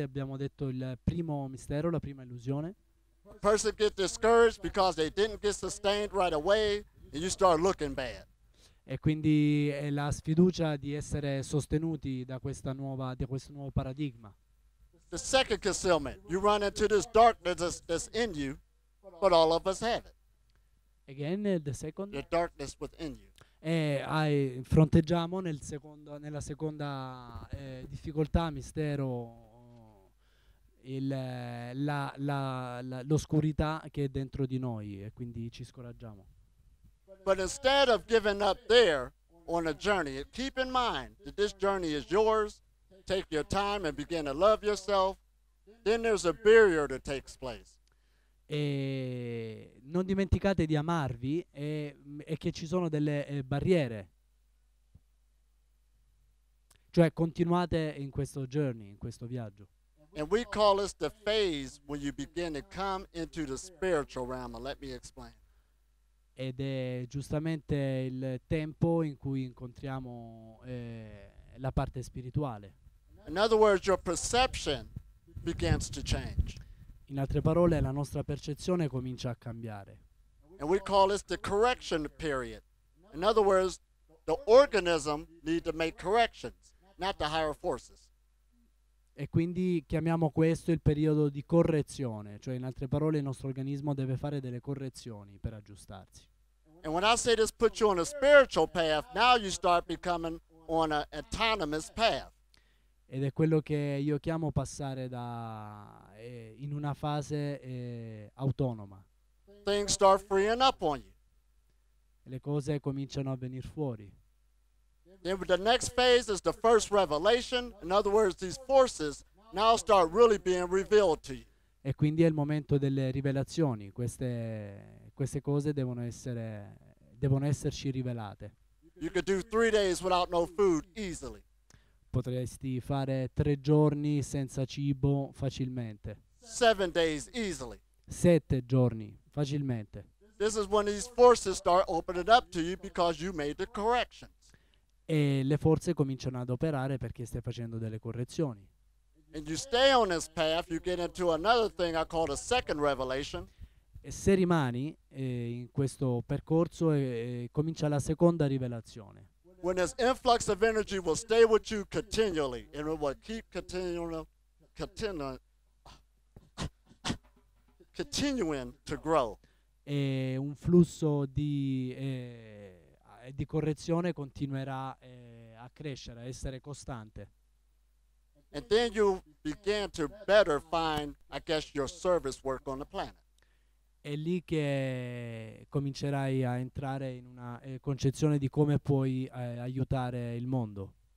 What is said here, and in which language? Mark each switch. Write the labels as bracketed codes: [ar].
[it] Abbiamo detto il primo mistero, la prima illusione. [en] Person get discouraged because they didn't get sustained right away, and you start looking bad. [it] E quindi è la sfiducia di essere sostenuti da questa nuova, da questo nuovo paradigma. [en] The second concealment, you run into this darkness that's in you, but all of us have it. Again, the second. The darkness within you. [it] E fronteggiamo nella seconda difficoltà, mistero, l'oscurità che è dentro di noi e quindi ci scoraggiamo. [en] But instead of giving up there on a journey, keep in mind that this journey is yours. Take your time and begin to love yourself. Then there's a barrier that takes place. [it] E non dimenticate di amarvi e che ci sono delle barriere. Cioè continuate in questo journey, in questo viaggio. [en] And we call this the phase when you begin to come into the spiritual realm. Let me explain. [it] Ed è giustamente il tempo in cui incontriamo la parte spirituale. [en] In other words, your perception begins to change. [it] In altre parole, la nostra percezione comincia a cambiare. [en] And we call this the correction period. In other words, the organism needs to make corrections, not the higher forces. [it] E quindi chiamiamo questo il periodo di correzione, cioè in altre parole il nostro organismo deve fare delle correzioni per aggiustarsi. [en] And when I say this puts you on a spiritual path, now you start becoming on an autonomous path. [it] Ed è quello che io chiamo passare da in una fase autonoma. [en] Things start freeing up on you. [it] Le cose cominciano a venire fuori. [en] Then the next phase is the first revelation. In other words, these forces now start really being revealed to you. [it] E quindi è il momento delle rivelazioni. Queste cose devono esserci rivelate. [en] You could do 3 days without no food easily. [it] Potresti fare 3 giorni senza cibo facilmente. [en] 7 days easily. [it] 7 giorni facilmente. [en] This is when these forces start opening up to you because you made the correction. [it] E le forze cominciano ad operare perché stai facendo delle correzioni. [en] And you stay on this path, you get into another thing I call the second revelation. [it] E se rimani in questo percorso comincia la seconda rivelazione. [en] When this influx of energy will stay with you continually and it will keep continuing to grow. [it] E un flusso di correzione continuerà a crescere, a essere costante. [en] And then you begin to better find, I guess, your service work on the planet. [it] È lì che comincerai a entrare in una concezione di come puoi aiutare il mondo.